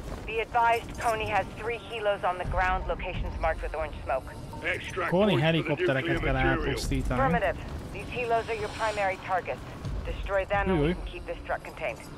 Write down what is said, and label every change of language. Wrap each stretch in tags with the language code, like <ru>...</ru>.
<en>Be advised, Kony has 3 helos on the ground, locations marked with orange smoke.</en> <hu>Kony helikoptereket kell elpusztítani.</hu> <en>Affirmative. These helos are your primary targets. Destroy them and we can keep this truck contained.</en>